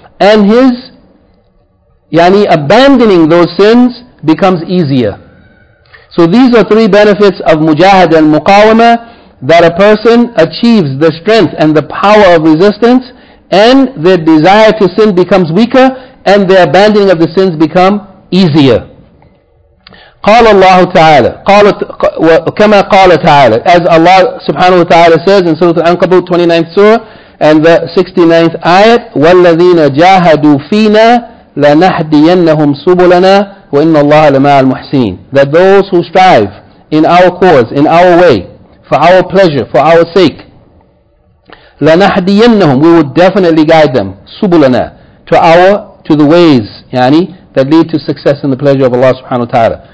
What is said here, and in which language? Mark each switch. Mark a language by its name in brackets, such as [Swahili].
[English] And his, yani abandoning those sins becomes easier. So these are three benefits of mujahad and muqawama, that a person achieves the strength and the power of resistance, and their desire to sin becomes weaker, and their abandoning of the sins become easier. [Arabic] قال الله تعالى قالت كما قال تعالى. [English] As Allah subhanahu wa ta'ala says in Surah Al-Ankabut 29th Surah and the 69th Ayat, [Arabic] وَالَّذِينَ جَاهَدُوا فِينا لَنَهْدِيَنَّهُمْ سُبُلَنَا وَإِنَّ اللَّهَ لَمَعَ الْمُحْسِنِينَ. [English] That those who strive in our cause, in our way, for our pleasure, for our sake, لَنَهْدِيَنَّهُمْ, we would definitely guide them, سُبُلَنَا, to the ways, yani, that lead to success and the pleasure of Allah subhanahu wa ta'ala.